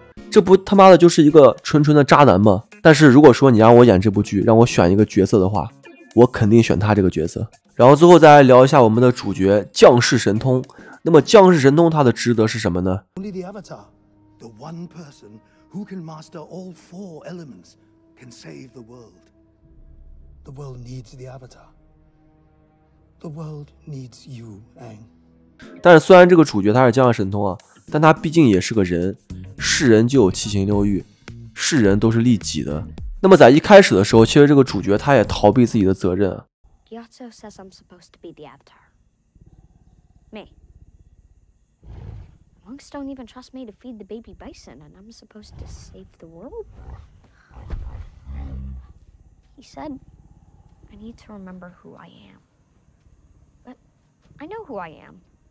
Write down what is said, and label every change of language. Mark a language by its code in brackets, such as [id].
[zh] 这不他妈的就是一个纯纯的渣男吗？但是如果说你让我演这部剧，让我选一个角色的话，我肯定选他这个角色。然后最后再来聊一下我们的主角降世神通。那么降世神通他的职责是什么呢？ [en] The one person who can master all four elements can save the world. The world needs the Avatar. The world needs you, Aang. [zh] 但是虽然这个主角他是降世神通啊，但他毕竟也是个人，是人就有七情六欲，是人都是利己的。那么在一开始的时候，其实这个主角他也逃避自己的责任。 [en] Yato says I'm supposed to be the Avatar. Me. Monks don't even trust me to feed the baby bison, and I'm supposed to save the world. He said, I need to remember who I am. But I know who I am.